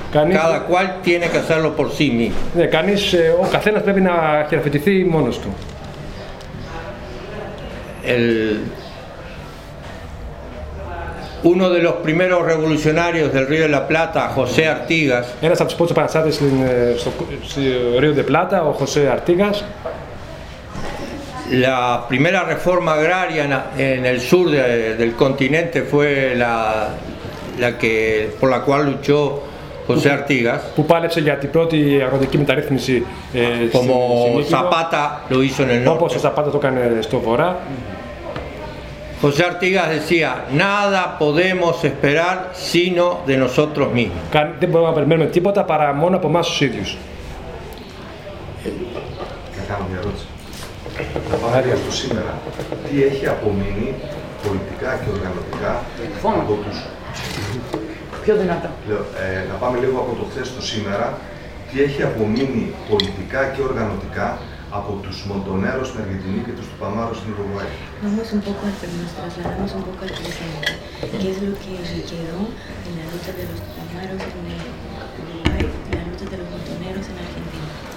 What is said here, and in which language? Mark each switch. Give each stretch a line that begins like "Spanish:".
Spanish: Cada cual tiene que hacerlo por sí mismo.
Greek: Ναι, κανείς, ο καθένας πρέπει να χειραφετηθεί μόνος του.
Spanish: Uno de los primeros revolucionarios del Río de la Plata, José Artigas.
Greek: Ένας από τους πρώτους επανάστατες στο Río de Plata, ο José Artigas.
Spanish: La primera reforma agraria en el sur del continente fue la que por la cual luchó José Artigas.
Greek: Που πάλεψε για την πρώτη αγροτική μεταρρύθμιση
Spanish: Como Zapata lo hizo en el norte.
Greek: Όπως ο Zapata το έκανε στο βορρά.
Spanish: José Artigas decía, nada podemos esperar sino de nosotros mismos.
Greek: Δεν μπορούμε να περιμένουμε τίποτα παρά μόνο από εμάς τους ίδιους. Να κάνω μια ερώτηση. Τα παράδειγμα του σήμερα, τι έχει απομείνει πολιτικά και οργανωτικά από τους... Πιο δυνατά. Να πάμε λίγο από το χθες στο σήμερα. Τι έχει απομείνει πολιτικά και οργανωτικά από τους Μοντονέρους στην Αργεντινή και τους Παμάρους στην Ουρουγουάη.
Spanish: Vamos un poco al tema, trasladamos un poco al presente. ¿Qué es lo que quedó en la lucha de los Tupamaros en Uruguay y la lucha de los Montoneros en Argentina?